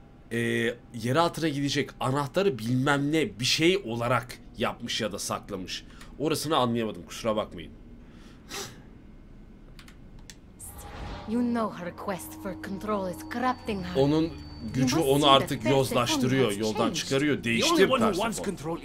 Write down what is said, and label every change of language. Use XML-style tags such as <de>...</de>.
<tr>Yeri altına gidecek anahtarı bilmem ne bir şey olarak yapmış ya da saklamış. Orasını anlayamadım, kusura bakmayın.</tr> <en>You know her quest for control is corrupting her.</en> <tr>Onun gücü onu artık yozlaştırıyor, yoldan çıkarıyor, değiştirip Persephone.</tr>